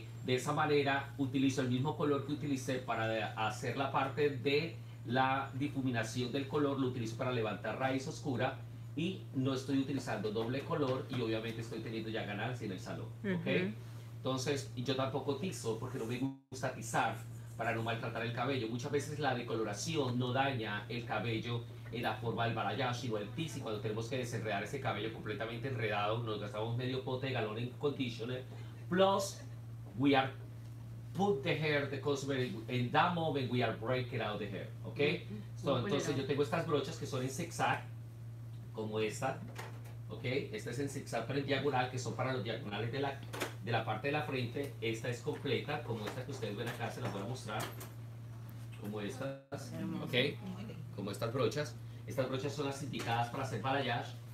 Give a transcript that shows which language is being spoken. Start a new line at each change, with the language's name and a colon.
Spanish: De esa manera utilizo el mismo color que utilicé para hacer la parte de la difuminación del color, lo utilizo para levantar raíz oscura, y no estoy utilizando doble color y obviamente estoy teniendo ya ganancia en el salón. ¿Ok? Entonces, y yo tampoco tizo porque no me gusta tizar para no maltratar el cabello. Muchas veces la decoloración no daña el cabello en la forma del balayage, sino el tizing. Cuando tenemos que desenredar ese cabello completamente enredado, nos gastamos medio pote de galón en conditioner.
English: Plus, we are put the hair, the customer, in that moment we are breaking out the hair.
Spanish: ¿Ok? So, entonces, yo tengo estas brochas que son en zigzag, como esta. ¿Ok? Esta es en zigzag, pero en diagonal, que son para los diagonales de la parte de la frente. Esta es completa, como esta que ustedes ven acá, se las voy a mostrar, como estas, ok, como estas brochas son las indicadas para hacer balayage.